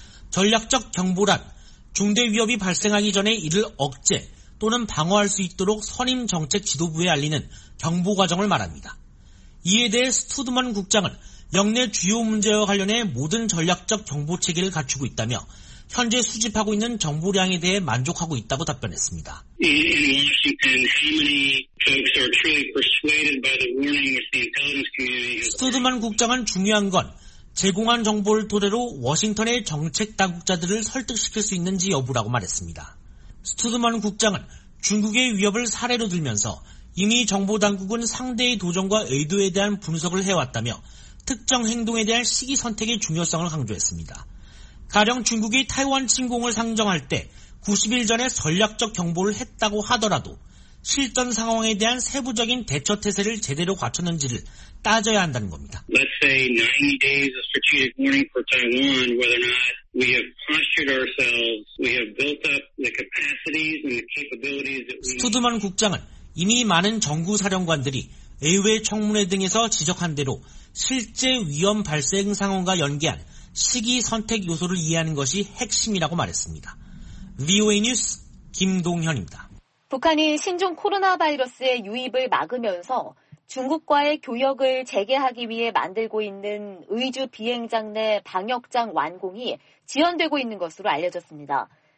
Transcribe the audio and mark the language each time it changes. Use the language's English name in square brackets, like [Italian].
[Korean] 전략적 경보란 중대 위협이 발생하기 전에 이를 억제 또는 방어할 수 있도록 선임 정책 지도부에 알리는 경보 과정을 말합니다. 이에 대해 스튜드먼 국장은 역내 주요 문제와 관련해 모든 전략적 경보 체계를 갖추고 있다며 현재 수집하고 있는 정보량에 대해 만족하고 있다고 답변했습니다. [English] In Washington, how many folks are truly persuaded by the warnings the intelligence community? [Korean] 스튜드먼 국장은 중요한 건 제공한 정보를 토대로 워싱턴의 정책 당국자들을 설득시킬 수 있는지 여부라고 말했습니다. 스튜드먼 국장은 중국의 위협을 사례로 들면서 이미 정보 당국은 상대의 도전과 의도에 대한 분석을 해왔다며 특정 행동에 대한 시기 선택의 중요성을 강조했습니다. 가령 중국이 타이완 침공을 상정할 때 90일 전에 전략적 경보를 했다고 하더라도 실전 상황에 대한 세부적인 대처 태세를 제대로 갖췄는지를 따져야 한다는 겁니다. [English] Let's say 90 days of strategic warning for Taiwan, whether or not we have postured ourselves, we have built up the capacities and the capabilities that we. [Korean] 스튜드먼 국장은 이미 많은 정구 사령관들이 의회 청문회 등에서 지적한 대로 실제 위험 발생 상황과 연계한 시기 선택 요소를 이해하는 것이 핵심이라고 말했습니다. VOA 뉴스 김동현입니다. 북한이 신종 코로나 바이러스의 유입을 막으면서 중국과의 교역을 재개하기 위해 만들고 있는 의주 비행장 내 방역장 완공이 지연되고 있는 것으로 알려졌습니다.